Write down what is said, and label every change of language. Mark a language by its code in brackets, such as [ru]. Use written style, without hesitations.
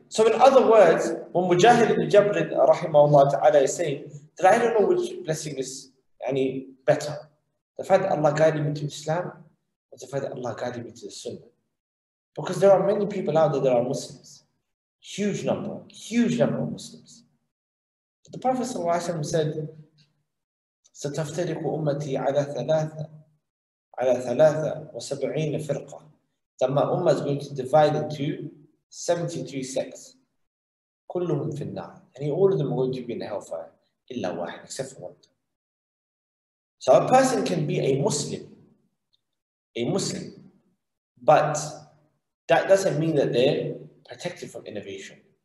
[en] So in other words, when Mujahid ibn Jabr rahimahullah ta'ala is saying that I don't know which blessing is any better. The fact that Allah guided me to Islam, or the fact that Allah guided me to the sunnah. Because there are many people out there that are Muslims. Huge number of Muslims. The Prophet said, [ar] ستفترق أمتي على ثلاثة على ثلاثة وسبعين فرقة. [en] That my ummah is going to divide into 73 sects. [ar] كلهم في النار. [en] And all of them are going to be in hellfire. [ar] إلا واحد, [en] except for one. So a person can be a Muslim, but that doesn't mean that they're protected from innovation.